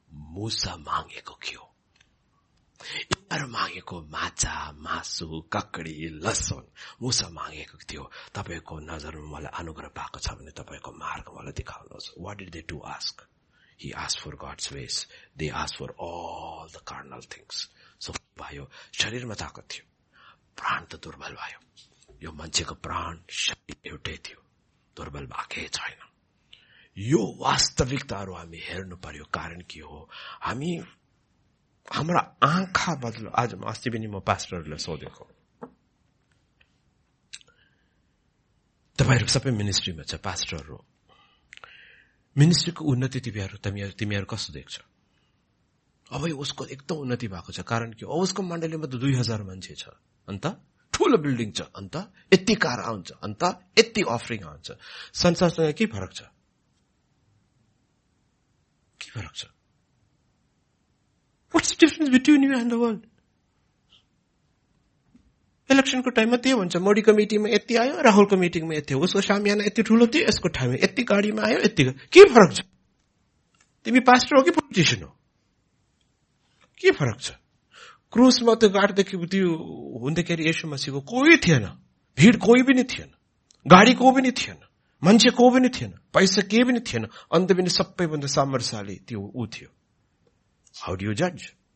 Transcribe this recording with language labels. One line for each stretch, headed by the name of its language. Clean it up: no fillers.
Nepali: मूसा मागेको के हो यिनीहरू मागेको माछा मासु ककडी लसुन मुसा मागेको थियो तपाईँको नजरमा मलाई अनुग्रह पाएको छ भने तपाईँको मार्ग मलाई देखाउनुहोस्
English: what did they to ask he ask for gods ways they ask for all the carnal things
Nepali: so भयो शरीरमा ताकत थियो प्राण त दुर्बल भयो यो मान्छेको प्राण शरीर एउटै थियो दुर्बल भएकै छैन यो वास्तविकताहरू हामी हेर्नु पर्यो. कारण के हो, हामी हाम्रा आँखा बदलो. आज अस्ति पनि म पास्टरहरूलाई सोधेको, तपाईँहरू सबै मिनिस्ट्रीमा छ, पास्टरहरू मिनिस्ट्रीको उन्नति तिमीहरू तिमीहरू कस्तो देख्छ? अब उसको एकदम उन्नति भएको छ. कारण के हो, उसको मण्डलीमा त 2000 मान्छे छ, अन्त ठूलो बिल्डिङ छ, अन्त यति कार आउँछ, अन्त यति अफरिङ आउँछ. संसारसँग के फरक छ? के फरक छ?
English: What's the difference between you and the world?
Nepali: इलेक्सनको टाइममा त्यही भन्छ, मोडी कमिटीमा यति आयो, राहुलको मिटिङमा यति, उसको सामियाना यति ठुलो थियो, यसको ठाउँमा यति गाडीमा आयो, यति के फरक छ? तिमी पास्टर हो कि पोलिटिसियन हो, के फरक छ? क्रुसमा त्यो गाडदेखि त्यो हुँदाखेरि यसो मसीको कोही थिएन, भिड कोही पनि थिएन, गाडी को पनि थिएन, मान्छे को पनि थिएन, पैसा केही पनि थिएन, अन्त पनि सबैभन्दा सामर्थ्यशाली त्यो ऊ थियो.
English: How do you जज?